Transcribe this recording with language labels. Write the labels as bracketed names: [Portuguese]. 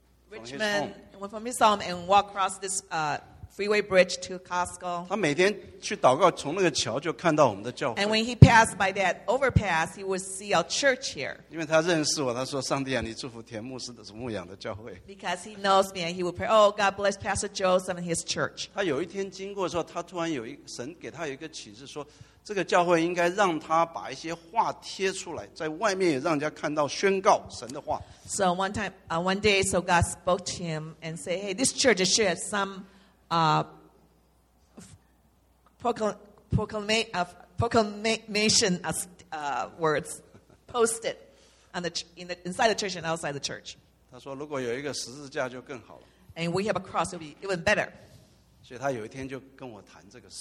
[English] from Richmond, went from his home, and walked across this freeway bridge to Costco. [Chinese] 他每天去祷告, 从那个桥就看到我们的教会。 [English] And when he passed by that overpass, he would see our church here. [Chinese] 因为他认识我, 他说, 上帝啊, 你祝福田牧师的牧养的教会。 [English] Because he knows me, and he would pray, oh, God bless Pastor Joseph and his church. [Chinese] 他有一天经过的时候, 他突然有一, 神给他有一个启示说, 这个教会应该让他把一些话贴出来, 在外面也让人家看到, 宣告神的话。 [English] So one time, one day, so God spoke to him and said, hey, this church should have some proclamation words posted on the inside the church and outside the church. [Chinese] 他说如果有一个十字架就更好了。 [English] And we have a cross, it would be even better. [Chinese] 所以他有一天就跟我谈这个事。